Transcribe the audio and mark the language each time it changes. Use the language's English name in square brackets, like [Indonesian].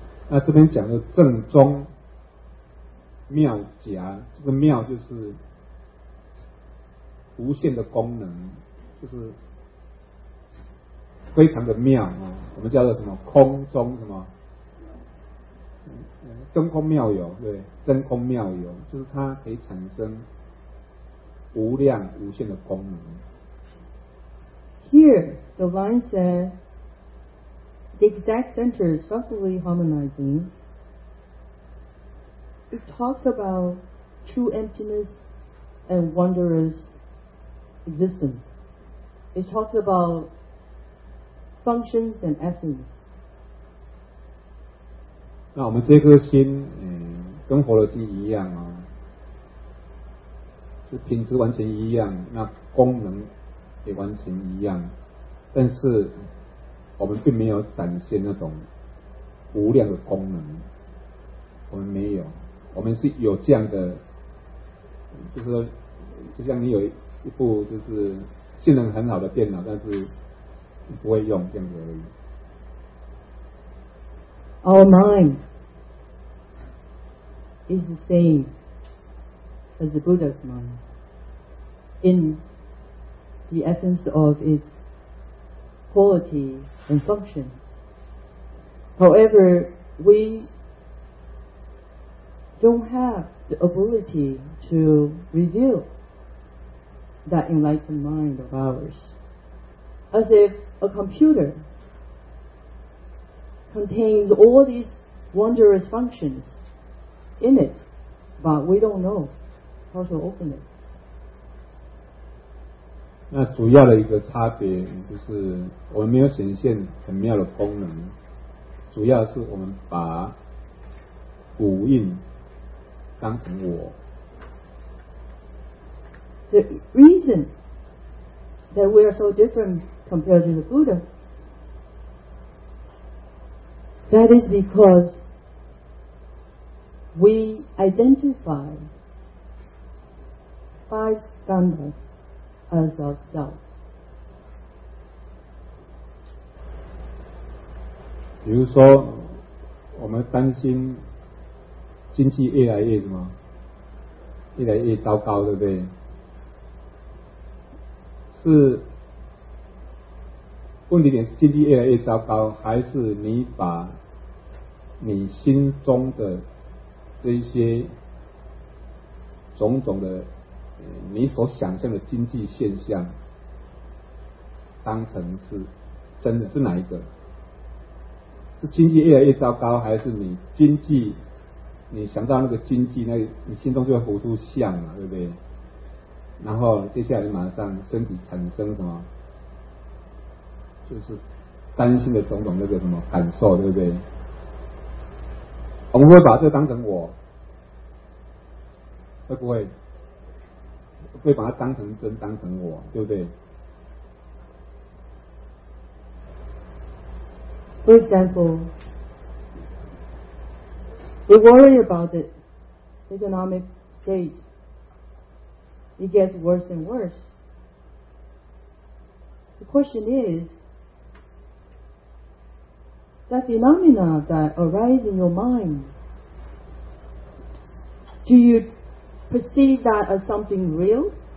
[Chinese] That 这边讲的正宗妙夹，这个妙就是无限的功能，就是非常的妙啊，我们叫做什么空中什么真空妙有，对，真空妙有，就是它可以产生无量无限的功能。 [English] Here the line says the exact center is subtly harmonizing it talks about true emptiness and wondrous existence. It talks about functions and essence. [Chinese] 那我们这颗心，跟佛的心一样啊，是品质完全一样，那功能也完全一样，但是我们并没有展现那种无量的功能，我们没有，我们是有这样的，就是说，就像你有一部就是性能很好的电脑，但是你不会用这样子而已。 [English] Our mind is the same as the Buddha's mind in the essence of its quality and function. However, we don't have the ability to reveal that enlightened mind of ours. As if a computer contains all these wondrous functions in it, but we don't know how to open it. [Chinese] 那主要的一个差别就是我们没有显现很妙的功能，主要是我们把五蕴当成我。 [English] The reason that we are so different compared to the Buddha, that is because we identify five skandhas as of self. [Chinese] 比如说我们担心经济越来越什么越来越糟糕，对不对？是问题点经济越来越糟糕，还是你把你心中的这些种种的你所想象的经济现象当成是真的？是哪一个？是经济越来越糟糕，还是你经济你想到那个经济，那你心中就会浮出相嘛，对不对？然后接下来马上身体产生什么就是担心的种种那个什么感受，对不对？我们会把这个当成我，会不会会把它当成真，当成我，对不对？ [English] For example, we worry about the economic state. It gets worse and worse. The question is, that phenomena that arise in your mind, do you perceive that as something real?